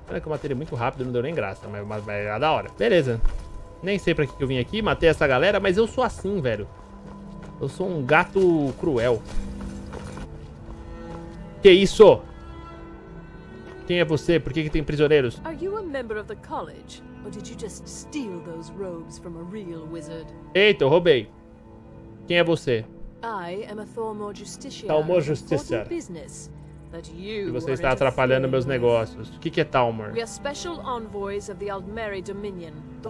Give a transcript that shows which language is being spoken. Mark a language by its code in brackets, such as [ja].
[pt] Olha que eu matei ele muito rápido, não deu nem graça, mas era da hora. Beleza. Nem sei pra que, que eu vim aqui, matei essa galera, mas eu sou assim, velho. Eu sou um gato cruel. Que isso? Quem é você? Por que tem prisioneiros? [en] Are you a member of the college, or did you just steal those robes from a real wizard? [pt] Eita, eu roubei. Quem é você? [en] I am a Thormor Justiciar. Thormor Justiciar. [pt] E você está atrapalhando meus negócios. O que é Thalmor? [en] We are special envoys of the Aldmeri Dominion, the